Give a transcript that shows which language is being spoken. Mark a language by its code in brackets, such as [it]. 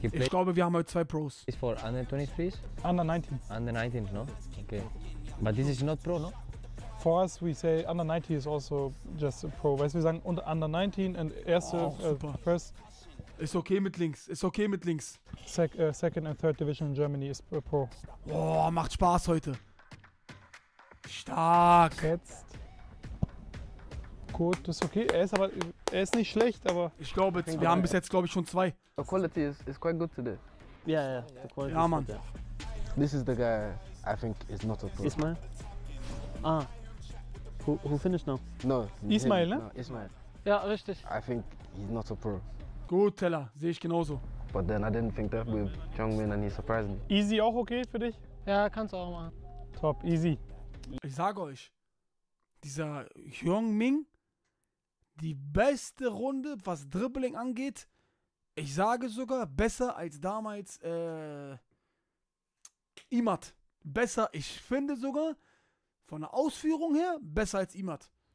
[de] play. Ich glaube, wir haben heute 2 Pros. [en] Ist for under 23? Under 19. Under 19, no? Okay. But this is not pro, no? For us, we say under 19 is also just a pro. [de] Weißt du, wir sagen [en] under 19 and erste, first. [de] Ist okay mit links, ist okay mit links. [en] Second and third division in Germany is pro. [de] Oh, macht Spaß heute. Stark. Jetzt. Gut, das ist okay. Er ist nicht schlecht, aber... Ich glaube, jetzt, wir haben bis jetzt, glaube ich, schon 2. [en] The quality is quite good today. Yeah, yeah. The quality, ja, is Mann. Good. This is the guy... I think it's not a pro. Ismail? Ah. Who finished now? No. [de] Ismail, ne? [en] No, Ismail. [de] Ja, richtig. [en] I think he's not a pro. [de] Gut, Teller. Sehe ich genauso. [en] But then I didn't think that with Jongmin and he surprised me. [de] Easy auch okay für dich? Ja, kannst du auch machen. Top, easy. Ich sage euch, dieser Jongmin, die beste Runde, was Dribbling angeht, ich sage sogar besser als damals Imad. Besser, ich finde sogar, von der Ausführung her, besser als Imad.